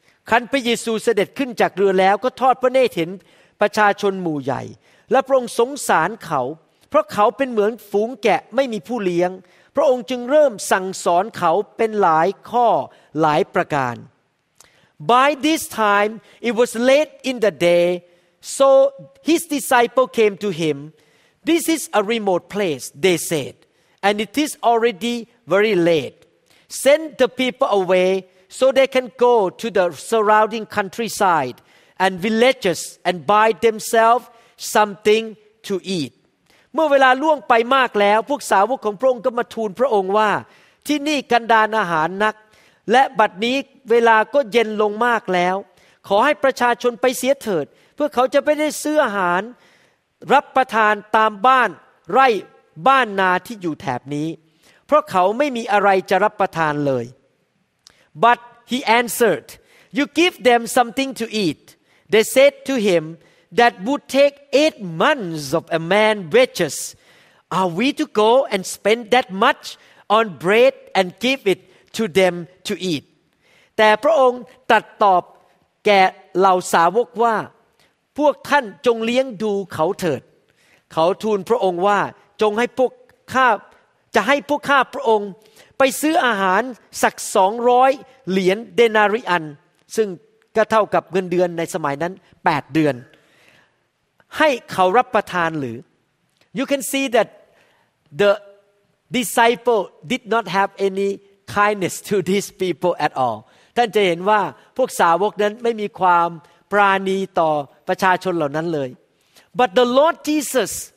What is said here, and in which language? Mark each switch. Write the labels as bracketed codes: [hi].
[th] ขันพระเยซูเสด็จขึ้นจากเรือแล้วก็ทอดพระเนตรเห็นประชาชนหมู่ใหญ่และพระองค์สงสารเขาเพราะเขาเป็นเหมือนฝูงแกะไม่มีผู้เลี้ยงพระองค์จึงเริ่มสั่งสอนเขาเป็นหลายข้อหลายประการ [en] By this time it was late in the daySo his disciples came to him. This is a remote place, they said, and it is already very late. Send the people away so they can go to the surrounding countryside and villages and buy themselves something to eat. [th] เมื่อเวลาล่วงไปมากแล้วพวกสาวกของพระองค์ก็มาทูลพระองค์ว่าที่นี่กันดารอาหารนักและบัดนี้เวลาก็เย็นลงมากแล้วขอให้ประชาชนไปเสียเถิดเพื่อเขาจะไปได้ซื้ออาหารรับประทานตามบ้านไร่บ้านนาที่อยู่แถบนี้เพราะเขาไม่มีอะไรจะรับประทานเลย [en] But he answered, "You give them something to eat." They said to him, "That would take 8 months of a man's wages. Are we to go and spend that much on bread and give it to them to eat?" [th] แต่พระองค์ตรัสตอบแก่เหล่าสาวกว่าพวกท่านจงเลี้ยงดูเขาเถิดเขาทูลพระองค์ว่าจงให้พวกข้าจะให้พวกข้าพระองค์ ไปซื้ออาหารสัก200เหรียญเดนาริอันซึ่งก็เท่ากับเงินเดือนในสมัยนั้น8เดือนให้เขารับประทานหรือ [en] You can see that the disciple did not have any kindness to these people at all [th] ท่านจะเห็นว่าพวกสาวกนั้นไม่มีความปรานีต่อประชาชนเหล่านั้นเลย [en] But the Lord Jesus